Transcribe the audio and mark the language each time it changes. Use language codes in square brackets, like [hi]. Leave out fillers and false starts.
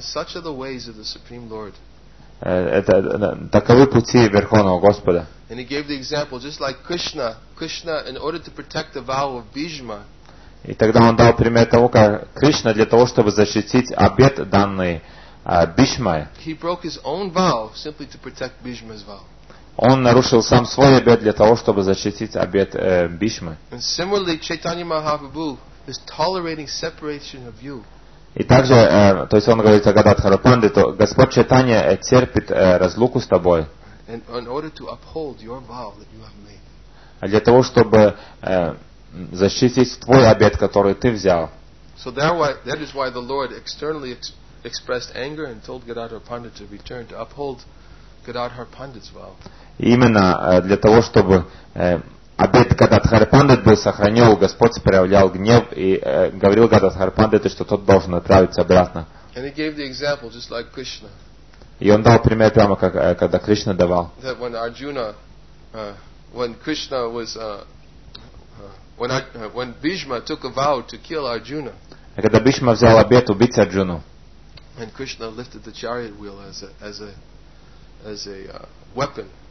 [en] Such are the ways of the Supreme Lord. [ru] Это таковы пути Верховного Господа. [en] And he gave the example, just like Krishna, in order to protect the vow of Bhishma. [ru] И тогда он дал пример того, как Кришна для того, чтобы защитить обет данный Бишмой. [en] He broke his own vow simply to protect Bhishma's vow. [ru] Он нарушил сам свой обет для того, чтобы защитить обет Бишмы. [en] And similarly, Chaitanya Mahaprabhu is tolerating separation of you. [ru] И также, то есть он говорит о Гададхара Пандите, то Господь Чайтанья терпит разлуку с тобой. [en] And in order to uphold your vow that you have made. [ru] А для того, чтобы защитить твой обет, который ты взял. [en] So that is why the Lord externally expressed anger and told Gadadhara Pandit to return to uphold Gadadhara Pandit's vow. [ru] Именно для того, чтобы обет Гададхара Пандит был сохранен, Господь проявлял гнев и говорил Гададхара Пандиту, что тот должен отправиться обратно. [en] And he gave the example, just like Krishna. [ru] И он дал пример прямо, как, когда Кришна давал. [en] That when Arjuna, when Krishna was, when Bhishma took a vow to kill Arjuna. [ru] Когда Бишма взял обет убить Арджуну. [en] And Krishna lifted the chariot wheel as a weapon.